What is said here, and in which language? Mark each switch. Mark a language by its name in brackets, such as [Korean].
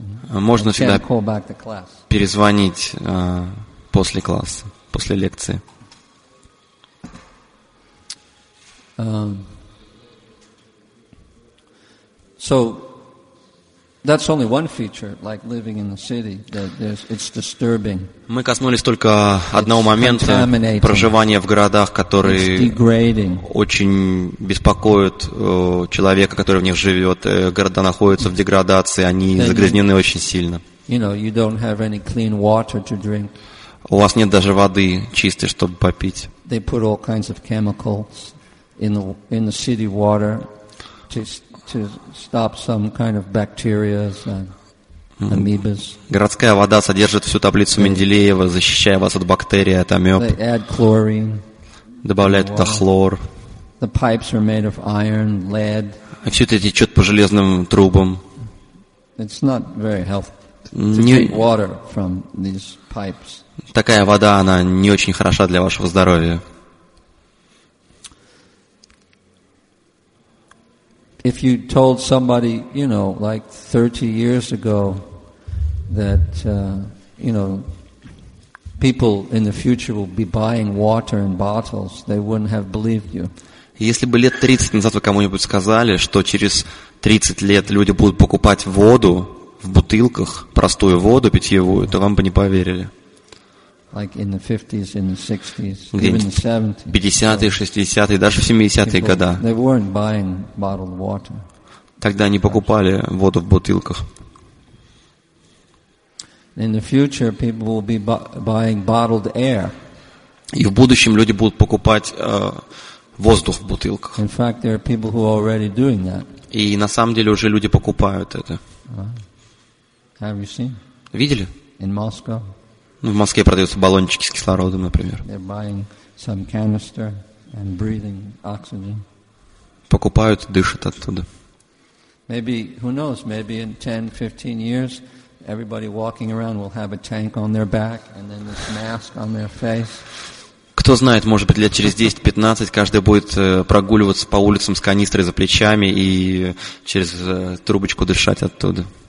[Russian] Можно всегда перезвонить после класса, после лекции. [English] So that's only one feature, like living in the city, that it's disturbing. [Russian] Мы коснулись только одного момента проживания в городах, который очень беспокоит человека, который в них живет. Города находятся в деградации, они загрязнены очень сильно. [English] You know, you don't have any clean water to drink. [Russian] У вас нет даже воды чистой, чтобы попить. [English] They put all kinds of chemicals in the city water to stop some kind of bacteria and amoebas. [Russian] Городская вода содержит всю таблицу Менделеева, защищая вас от бактерий, от амёб. [English] They add chlorine. [Russian] Добавляют туда хлор. [English] The pipes are made of iron, lead. [Russian] А всё это течёт по железным трубам. [English] It's not very healthy to drink water from these pipes. [Russian] Такая вода, она не очень хороша для вашего здоровья. [English] If you told somebody, you know, like 30 years ago, that, you know, people in the future will be buying water in bottles, they wouldn't have believed you. [Russian] Если бы лет 30 назад вы кому-нибудь сказали, что через 30 лет люди будут покупать воду в бутылках, простую воду питьевую, то вам бы не поверили. [English] Like in the 50s, in the 60s, even the 70s. [Russian] 50-е, 60-е, даже в 70-е годы. [English] They weren't buying bottled water. [Russian] Тогда они покупали воду в бутылках. [English] In the future, people will be buying bottled air. [Russian] И в будущем люди будут покупать воздух в бутылках. [English] In fact, there are people who are already doing that. [Russian] И на самом деле уже люди покупают это. [English] Have you seen? [Russian] Видели? [English] In Moscow. [Russian] В Москве продаются баллончики с кислородом, например. [English] They're buying some canister and breathing oxygen. [Russian] Покупают, дышат оттуда. [English] Maybe, who knows, maybe in 10-15 years everybody walking around will have a tank on their back and then this mask on their face. [Russian] Кто знает, может быть, лет через 10-15 каждый будет прогуливаться по улицам с канистрой за плечами и через трубочку дышать оттуда.